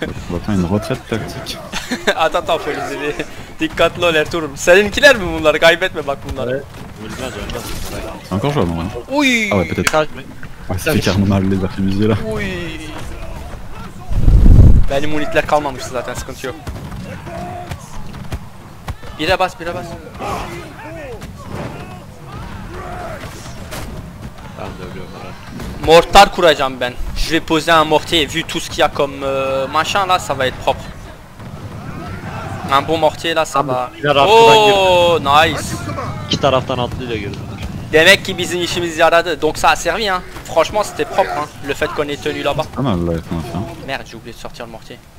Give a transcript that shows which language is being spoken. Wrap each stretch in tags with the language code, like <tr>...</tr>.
<fr>On va faire une retraite tactique. Attends, faut les aider.</fr> <tr>Dikkat lol Ertuğrul. Seninkiler mi bunlar? Kaybetme bak bunları.</tr> <fr>Encore jouable en vrai. Oui. Ah ouais peut-être. Ouais ça fait carrément mal les arquebusiers là. Oui.</fr> <tr>Benim unitler kalmamıştı zaten, sıkıntı yok. Bire bas, bire bas. Ben de ölüyorum herhalde. Mortar kuracağım ben.</tr> <fr>Je vais poser un mortier, vu tout ce qu'il y a comme machin là, ça va être propre. Un bon mortier là, ça va. Oh, nice.</fr> <tr>İki taraftan atlıyla girdiler. Demek ki bizim işimiz yaradı.</tr> <fr>Donc ça a servi hein. Franchement c'était propre hein, le fait qu'on ait tenu là-bas. Pas mal là, comment faire. Merde, j'ai oublié de sortir le mortier.</fr>